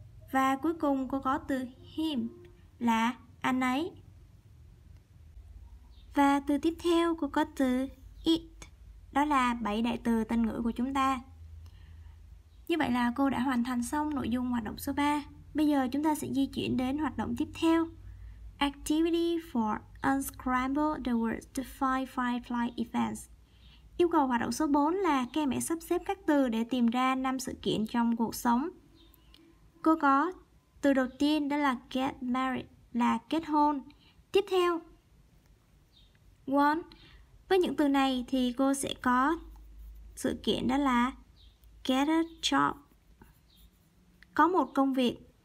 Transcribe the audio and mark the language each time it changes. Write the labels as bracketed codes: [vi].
[vi] Và cuối cùng cô có từ him là anh ấy. Và từ tiếp theo cô có từ it, đó là 7 đại từ tân ngữ của chúng ta. Như vậy là cô đã hoàn thành xong nội dung hoạt động số 3. Bây giờ chúng ta sẽ di chuyển đến hoạt động tiếp theo. [en] Activity 4, unscramble the words to find 5 flight events. [vi] Yêu cầu hoạt động số 4 là các em hãy sắp xếp các từ để tìm ra 5 sự kiện trong cuộc sống. Cô có từ đầu tiên đó là get married, là kết hôn. Tiếp theo want. Với những từ này thì cô sẽ có sự kiện đó là get a job, có một công việc.